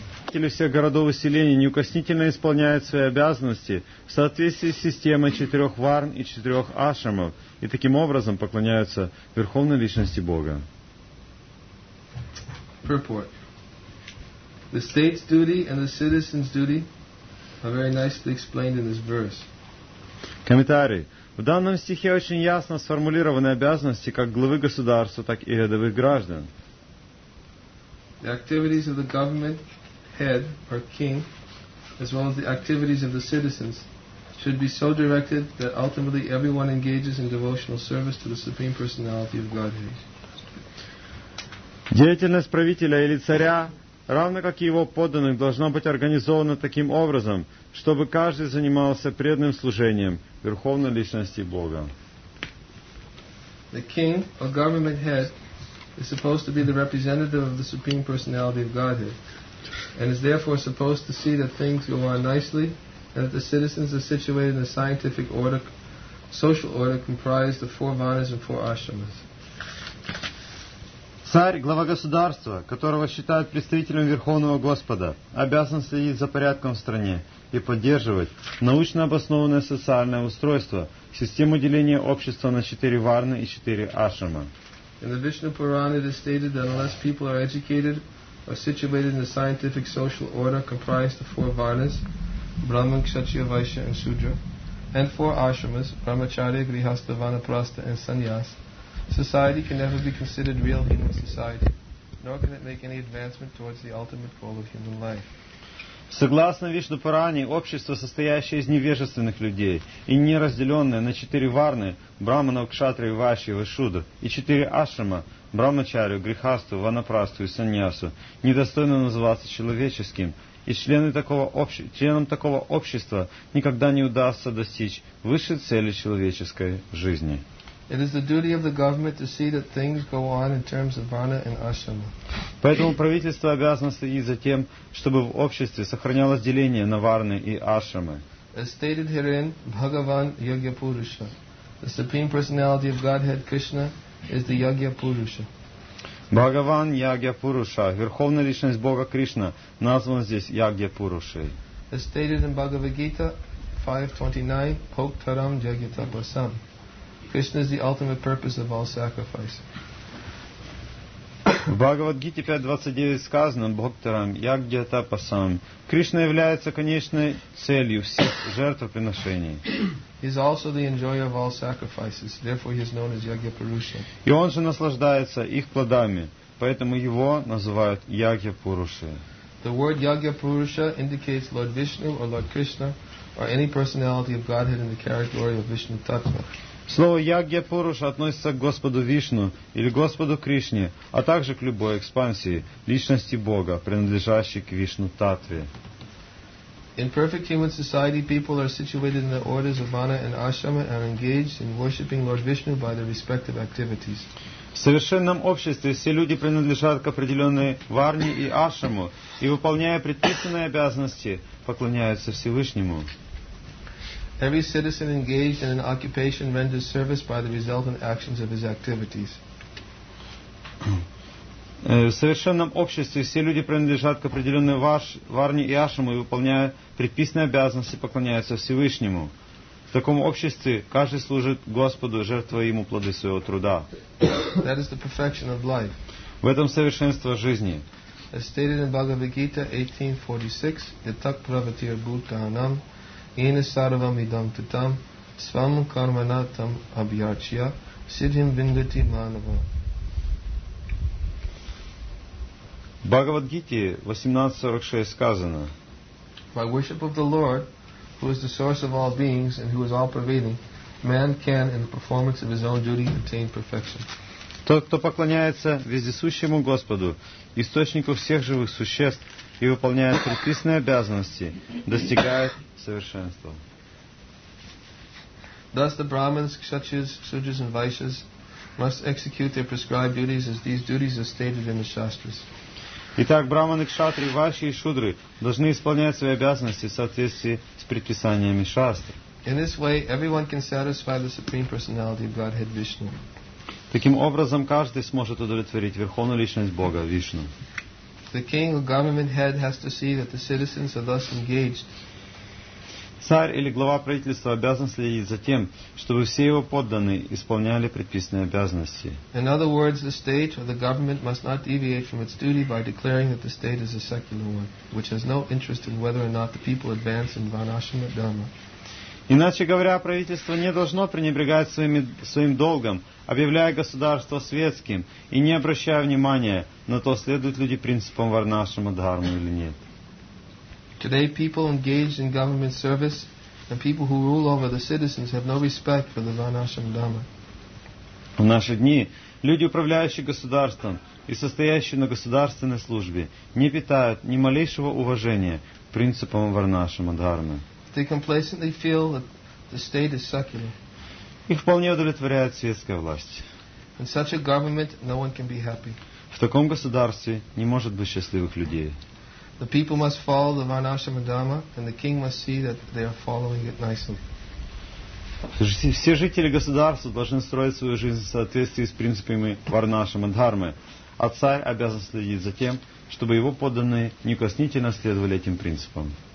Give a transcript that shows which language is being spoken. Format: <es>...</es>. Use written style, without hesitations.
<ru>Жители всех городов и селений неукоснительно исполняют свои обязанности в соответствии с системой четырех варн и четырех ашрамов и таким образом поклоняются Верховной Личности Бога.</ru> <en>Purport. The state's duty and the citizen's duty are very nicely explained in this verse.</en> <ru>Комментарий. В данном стихе очень ясно сформулированы обязанности как главы государства, так и рядовых граждан.</ru> <en>The activities of the government head or king, as well as the activities of the citizens, should be so directed that ultimately everyone engages in devotional service to the Supreme Personality of Godhead.</en> <ru>Деятельность правителя или царя, равно как и его подданных, должна быть организована таким образом, чтобы каждый занимался преданным служением Верховной Личности Бога.</ru> <en>The king or government head is supposed to be the representative of the Supreme Personality of Godhead, and is therefore supposed to see that things go on nicely, and that the citizens are situated in a scientific order, social order comprised of four varnas and four ashramas.</en> <ru>Царь, глава государства, которого считают представителем Верховного Господа, обязан следить за порядком в стране и поддерживать научно обоснованное социальное устройство, систему деления общества на четыре варны и четыре ашрама.</ru> <en>In the Vishnu Purana it is stated that unless people are educated or situated in a scientific social order comprised of four varnas, Brahman, Kshatriya, Vaishya and Sudra, and four ashramas, Brahmacharya, Grihastha, Vanaprastha and Sannyas, society can never be considered real human society, nor can it make any advancement towards the ultimate goal of human life.</en> <ru>Согласно Вишну Паране, общество, состоящее из невежественных людей и неразделенное на четыре варны Брахмана, Кшатрию, Вайши и Шудру и четыре ашрама Брахмачарию, Грихасту, Ванапрасту и Саньясу, недостойно называться человеческим, и членам такого общества никогда не удастся достичь высшей цели человеческой жизни.</ru> <en>It is the duty of the government to see that things go on in terms of varna and ashrama.</en> <ru>Поэтому правительство обязано следить за тем, чтобы в обществе сохранялось деление на варны и ашрамы.</ru> <en>As stated herein, Bhagavan Yogya Purusha, the supreme personality of Godhead Krishna, is the Yogya Purusha.</en> <ru>Bhagavan Yogya Purusha, верховная личность Бога Кришна, назван здесь Yogya Purushai.</ru> <en>As stated in Bhagavad Gita 5:29,</en> <sa>Poktaram Yogya Tapasam.</sa> <en>Krishna is the ultimate purpose of all sacrifice.</en> <ru>В Бхагавад-гите 5.29 сказано</ru> <sa>Бхоктарам Ягья-тапасам.</sa> <ru>Кришна является конечной целью всех жертвоприношений.</ru> <en>He is also the enjoyer of all sacrifices. Therefore he is known as Ягья-пуруша.</en> <ru>И он же наслаждается их плодами, поэтому его называют Ягья-пурушей.</ru> <en>The word Ягья-пуруша indicates Lord Vishnu or Lord Krishna or any personality of Godhead in the category of Vishnu Tattva.</en> <ru>Слово Ягья Пуруша относится к Господу Вишну или Господу Кришне, а также к любой экспансии личности Бога, принадлежащей к Вишну Татве.</ru> <en>In perfect human society, people are situated in the orders of Vana and Ashrama and engaged in worshipping Lord Vishnu by their respective activities.</en> <ru>В совершенном обществе все люди принадлежат к определенной варне и ашраму и, выполняя предписанные обязанности, поклоняются Всевышнему.</ru> <en>Every citizen engaged in an occupation renders service by the resultant actions of his activities.</en> <ru>В совершенном обществе все люди принадлежат к определенной варне и ашраму и, выполняя предписанные обязанности, поклоняются Всевышнему. В таком обществе каждый служит Господу, жертвуя ему плоды своего труда.</ru> <en>That is the perfection of life.</en> <ru>В этом совершенство жизни.</ru> <en>As stated in Bhagavad Gita 18:46,</en> <sa>Yatak pravatir bhutanam Inasaravam idam tatam svam karmanatam abhyarchya siddhim vindati manava.</sa> <ru>Бхагавад-гите 18:46 сказано.</ru> <en>By worship of the Lord, who is the source of all beings and who is all pervading, man can, in the performance of his own duty, attain perfection.</en> <ru>Тот, кто поклоняется вездесущему Господу, источнику всех живых существ, и выполняет предписанные обязанности, достигает совершенства.</ru> <en>Thus the Brahmins, Kshatriyas, Sudras and Vaishyas must execute their prescribed duties as these duties are stated in the Shastras.</en> <ru>Итак, браманы, кшатри, ваши и шудры должны исполнять свои обязанности в соответствии с предписаниями шастр.</ru> <en>In this way, everyone can satisfy the Supreme Personality of Godhead Vishnu.</en> <ru>Таким образом, каждый сможет удовлетворить Верховную Личность Бога, Вишну.</ru> <en>The king or government head has to see that the citizens are thus engaged.</en> <ru>Царь или глава правительства обязан следить за тем, чтобы все его подданные исполняли предписанные обязанности.</ru> <en>In other words, the state or the government must not deviate from its duty by declaring that the state is a secular one, which has no interest in whether or not the people advance in Vanashrama Dharma.</en> <ru>Иначе говоря, правительство не должно пренебрегать своим долгом, объявляя государство светским и не обращая внимания на то, следуют люди принципам Варнашрама Дхармы или нет.</ru> <en>Today people engaged in government service and people who rule over the citizens have no respect for the Varnashrama Dharma.</en> <ru>В наши дни люди, управляющие государством и состоящие на государственной службе, не питают ни малейшего уважения к принципам Варнашрама Дхармы.</ru> <en>They complacently feel that the state is secular.</en> <ru>Их вполне удовлетворяет светская власть.</ru> <en>In such a government, no one can be happy.</en> <ru>В таком государстве не может быть счастливых людей.</ru> <en>The people must follow the Varnashrama Dharma, and the king must see that they are following it nicely.</en> <ru>Все жители государства должны строить свою жизнь в соответствии с принципами Варнашрама Дхармы, а царь обязан следить за тем, чтобы его подданные неукоснительно следовали этим принципам.</ru>